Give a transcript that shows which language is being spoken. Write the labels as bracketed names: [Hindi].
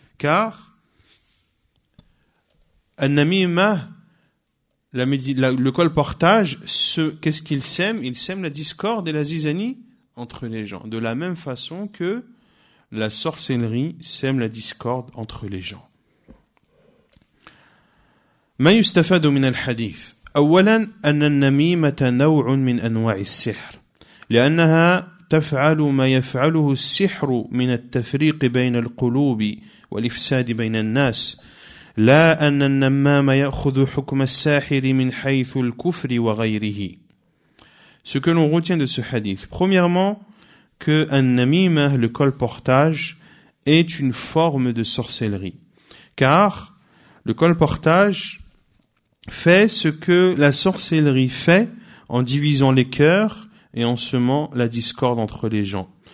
[French] Car an-namima, le colportage, qu'est-ce qu'il sème? Il sème la discorde et la zizanie entre les gens. De la même façon que la sorcellerie sème la discorde entre les gens. [Arabic] Ma yustafadu min al-hadith. أولاً أن النميمة نوع من أنواع السحر لأنها تفعل ما يفعله السحر من التفريق بين القلوب والإفساد بين الناس لا أن النمام يأخذ حكم الساحر من حيث الكفر وغيره. [French] Ce que l'on retient de ce hadith, premièrement, que النميمه, le colportage, est une forme de sorcellerie, car le colportage fait ce que la sorcellerie fait en divisant les cœurs et en semant la discorde entre les gens.